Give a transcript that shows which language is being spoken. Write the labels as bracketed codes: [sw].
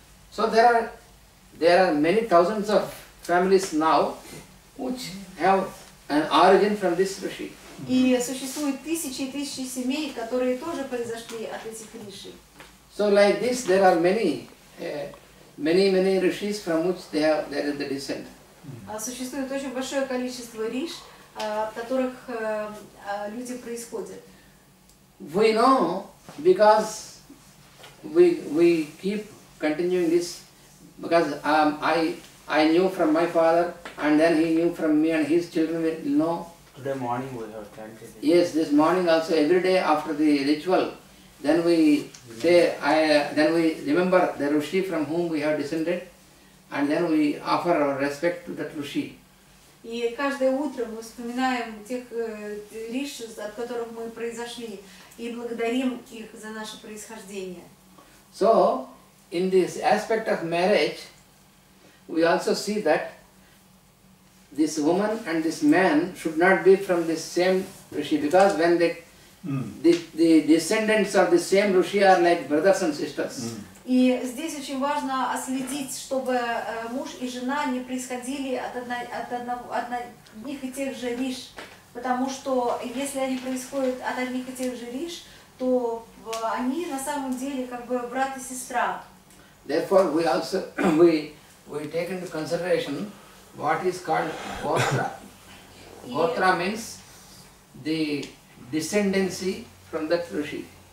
[en] So there are many thousands of families now which have an origin from this rishi. [ru] И существует тысячи и тысячи семей, которые тоже произошли от этих риши. [en] So like this, there are many rishis from which there is the descent. [ru] Существует очень большое количество риш, от которых люди происходят. [en] We know because we keep continuing this because I knew from my father and then he knew from me and his children will know. Today morning we have chanted. Yes, this morning also every day after the ritual. Then we say, then we remember the rishi from whom we have descended, and then we offer our respect to that rishi. [ru] И каждое утро мы вспоминаем тех риш, от которых мы произошли, и благодарим их за наше происхождение. [en] So, in this aspect of marriage, we also see that this woman and this man should not be from the same rishi, because when they The descendants of the same rishi are like brothers and sisters. [ru] И здесь очень важно отследить, чтобы муж и жена не происходили от одних и тех же риш, потому что если они происходят от одних и тех же риш, то они на самом деле как бы брат и сестра. [en] Therefore, we also we take into consideration what is called gotra. Gotra means the descendancy from that rishi.